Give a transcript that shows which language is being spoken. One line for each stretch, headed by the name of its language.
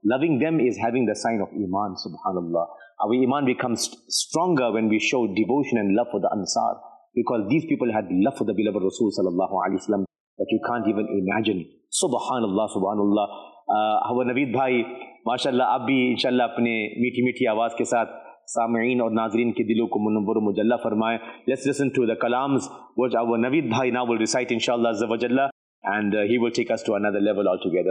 English: Loving them is having the sign of iman. Subhanallah. Our iman becomes stronger when we show devotion and love for the Ansar. Because these people had love for the beloved Rasul sallallahu alaihi wasallam that you can't even imagine. Subhanallah. Subhanallah. Our Naveed bhai,
Urdu: ماشاءاللہ آپ بھی انشاءاللہ اپنے میٹھی میٹھی آواز کے ساتھ سامعین اور ناظرین کے دلوں کو منور و مجلہ فرمائے.
English: Let's listen to the kalams which our Navid bhai now will recite inshallah azza wa jalla, and he will take us to another level altogether.